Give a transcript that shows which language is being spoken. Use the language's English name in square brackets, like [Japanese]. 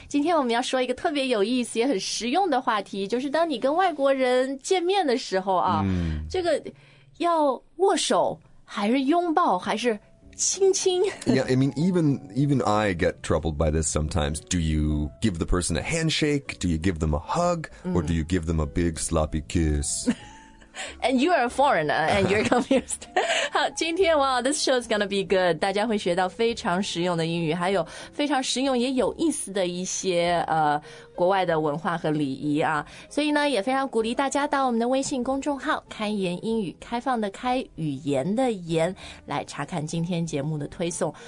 [Chinese] 今天我们要说一个特别有意思也很实用的话题，就是当你跟外国人见面的时候啊，这个要握手还是拥抱还是轻轻 [English] Yeah, I mean, even I get troubled by this sometimes. Do you give the person a handshake? Do you give them a hug? Or do you give them a big sloppy kiss? And you are a foreigner, and you're confused. [Chinese] 好，今天 [English] wow, this show is gonna be good. [Chinese] 大家会学到非常实用的英语，还有非常实用也有意思的一些国外的文化和礼仪啊。所以呢，也非常鼓励大家到我们的微信公众号“开言英语”，开放的开，语言的言，来查看今天节目的推送。